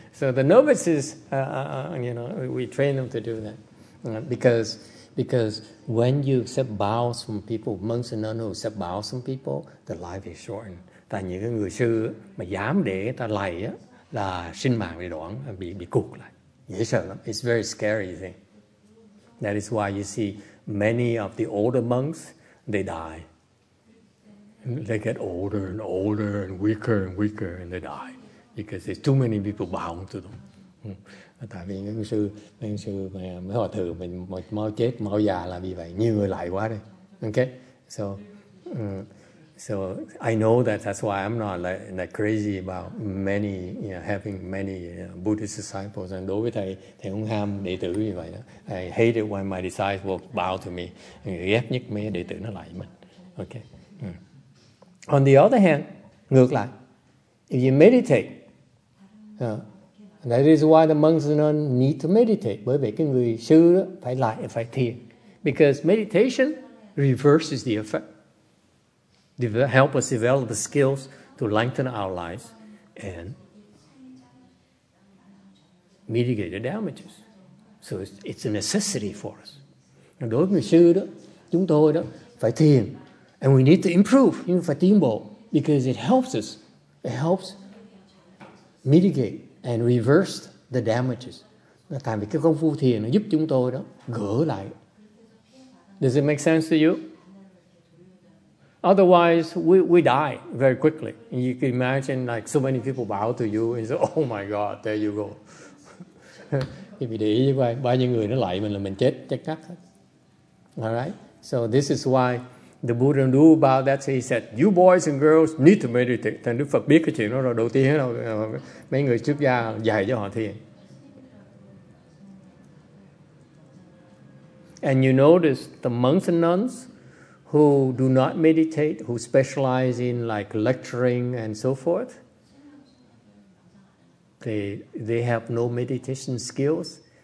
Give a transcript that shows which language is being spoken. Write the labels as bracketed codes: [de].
[en] So the novices, you know, we train them to do that, because when you accept bows from people, monks and nuns who accept bows from people, the life is shortened. [vi] Tại những cái người sư mà dám để ta lạy á, là sinh mạng bị đoạn, bị cụt lại, dễ sợ lắm. [en] It's very scary thing. That is why you see many of the older monks, they die. They get older and older and weaker and they die. Because there's too many people bound to them. [vi] Tại vì những sư mà mới hòa thượng mình mau chết mau già là vì vậy, nhiều người lại quá đây. [en] Okay, so I know that's why I'm not like crazy about many, you know, having many Buddhist disciples. [vi] And đối với thầy không ham đệ tử như vậy đó. [en] I hate it when my disciples bow to me. [vi] Ghét nhất mấy đệ tử nó lại mình. [en] Okay. On the other hand, [vi] ngược lại, [en] if you meditate, that is why the monks and nuns need to meditate. [vi] Bởi vì cái người sư đó phải lại phải thiền. [en] Because meditation reverses the effect. Help us develop the skills to lengthen our lives and mitigate the damages. So it's a necessity for us. [vi] Đối với người sư đó, chúng tôi đó phải thiền. [en] And we need to improve, you know, [vi] phải tiến bộ, [en] because it helps us. It helps mitigate and reverse the damages. [vi] Tại vì cái công phu thiền nó giúp chúng tôi đó gỡ lại. [en] Does it make sense to you? Otherwise, we die very quickly. And you can imagine like so many people bow to you and say, oh my God, there you go. [vi] Vì để ý vậy, bao nhiêu người nó lại mình là mình chết, chắc chắn. [en] All right? So this is why the Buddha knew about that. So he said, you boys and girls need to meditate. [vi] Thành Đức Phật biết cái chuyện đó rồi. Đầu tiên là mấy người xuất gia dạy cho họ thiền. [en] And you notice the monks and nuns who do not meditate, who specialize in like lecturing and so forth, they have no meditation skills.